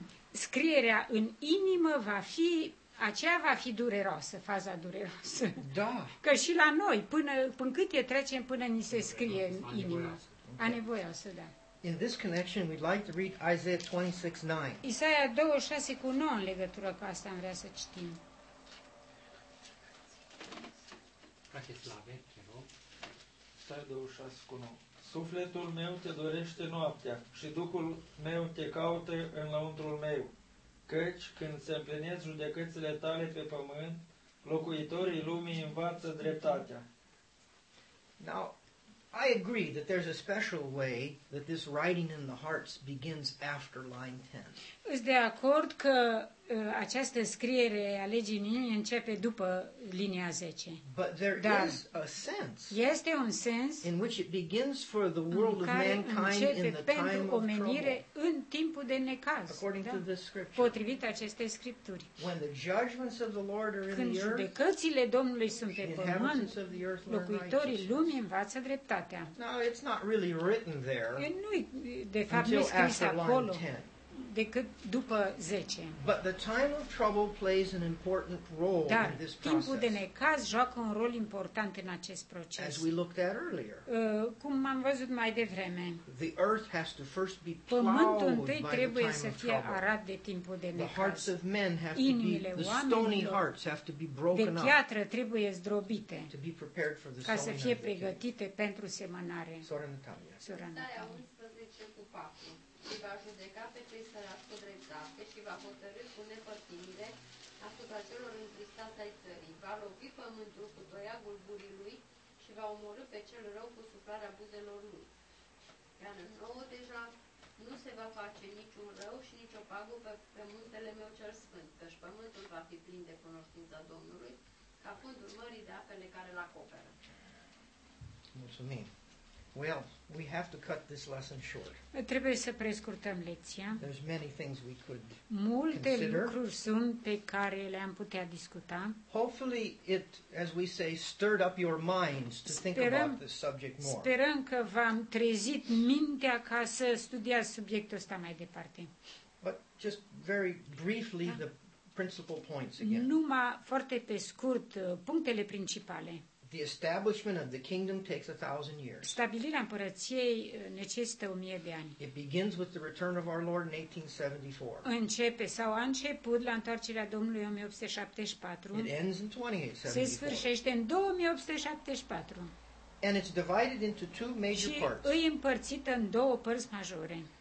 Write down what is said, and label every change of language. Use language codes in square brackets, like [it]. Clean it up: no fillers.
[ro] Scrierea în inimă va fi... Aceea va fi dureroasă, faza dureroasă. Da. Că și la noi, până cât e trecem, până ni se scrie în inimă. A nevoioasă, da. [en] In this connection, we'd like to read Isaiah 26:9. [ro] Isaia 26:9, în legătură cu asta, am vrea să citim. Frate Slave, te rog. Isaia 26:9. Sufletul meu te dorește noaptea și Duhul meu te caută în lăuntrul meu. Căci când se împlinesc judecățile tale pe pământ, locuitorii lumii învață dreptatea. [en] Now, I agree that there's a special way that this writing in the hearts begins after line 10. [ro] Îs de acord că această scriere a legii în inimii începe după linia 10. [en] But there is a sense. [ro] Este un sens [en] in which it begins for the world of mankind in the time of trouble. [ro] Omenire în timpul de necaz. [en] According to the scripture. [ro] Potrivit acestei scripturi. [en] When the judgments of the Lord are in the earth. [ro] Când judecățile Domnului sunt pe pământ, locuitorii lumii învață dreptatea. [en] Now it's not really written there. [ro] Nu de fapt nu scris acolo. Decât după 10. [en] But the time of trouble plays an important role [ro] Dar, [en] in this process. [ro] Timpul de necaz joacă un rol important în acest proces. [en] As we looked at earlier. [ro] Cum am văzut mai devreme. [en] The earth has to first be plowed. [ro] Pământul întâi trebuie [en] the time [ro] să fie arat de timpul de necaz. [en] The hearts of men have to be the stony hearts have to be broken up. [ro] De piatră trebuie zdrobite. [en] To be prepared for the [ro] ca să fie pregătite pentru semănare. Sora Natalia. Sora Natalia. 11:4. Și va judeca pe cei sărați cu dreptate și va hotărâ cu nepătimire asupra celor întristați ai țării. Va lovi pământul cu toiagul burilui și va omorâ pe cel rău cu suflarea buzelor lui. Iar în nouă deja nu se va face niciun rău și nici o pagubă pe muntele meu cel sfânt, căci pământul va fi plin de cunoștința Domnului, ca fundul mării de apele care l-acoperă. Mulțumim! [en] Well, we have to cut this lesson short. [ro] Trebuie să prescurtăm lecția. [en] There's many things we could [ro] Multe [en] consider. [ro] Multe lucruri sunt pe care le-am putea discuta. [en] Hopefully it, as we say, stirred up your minds to think about this subject more. [ro] Sperăm că v-am trezit mintea ca să studiați subiectul ăsta mai departe. [en] But just very briefly the principal points again. [ro] Numai foarte pe scurt punctele principale. [en] The establishment of the kingdom takes 1,000 years. [ro] Stabilirea împărăției necesită 1000 de ani. [en] It begins with the return of our Lord in 1874. [ro] Începe sau a început la întoarcerea Domnului în 1874. [en] It ends in 2874. [ro] Se sfârșește în 2874. [en] And it's divided into two major parts. [ro] Și e împărțită în două părți majore.